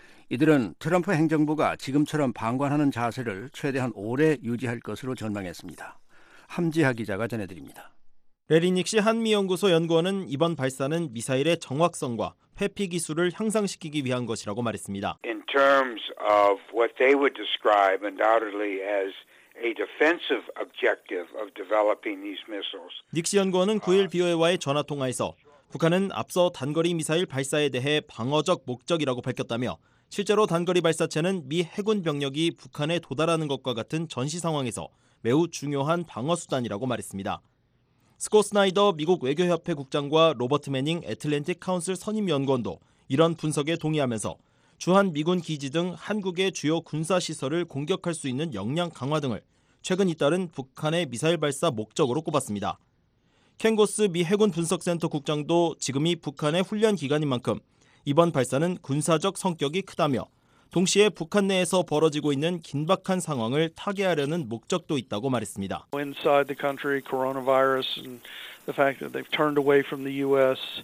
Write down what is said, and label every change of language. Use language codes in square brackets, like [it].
[ko] 이들은 트럼프 행정부가 지금처럼 방관하는 자세를 최대한 오래 유지할 것으로 전망했습니다. 함지하 기자가 전해드립니다. 레리닉시 한미연구소 연구원은 이번 발사는 미사일의 정확성과 회피 기술을 향상시키기 위한 것이라고 말했습니다. [en] In terms of what they would describe undoubtedly as a defensive objective of developing these missiles. [ko] 닉시 연구원은 9일 BOA와의 전화 통화에서 북한은 앞서 단거리 미사일 발사에 대해 방어적 목적이라고 밝혔다며 실제로 단거리 발사체는 미 해군 병력이 북한에 도달하는 것과 같은 전시 상황에서 매우 중요한 방어 수단이라고 말했습니다. 스콧 스나이더 미국 외교협회 국장과 로버트 매닝 애틀랜틱 카운슬 선임연구원도 이런 분석에 동의하면서 주한 미군 기지 등 한국의 주요 군사시설을 공격할 수 있는 역량 강화 등을 최근 잇따른 북한의 미사일 발사 목적으로 꼽았습니다. 켄고스 미 해군 분석센터 국장도 지금이 북한의 훈련 기간인 만큼 이번 발사는 군사적 성격이 크다며 동시에 북한 내에서 벌어지고 있는 긴박한 상황을 타개하려는 목적도 있다고 말했습니다. [en] Inside the country, coronavirus and the fact that they've turned away from the U.S.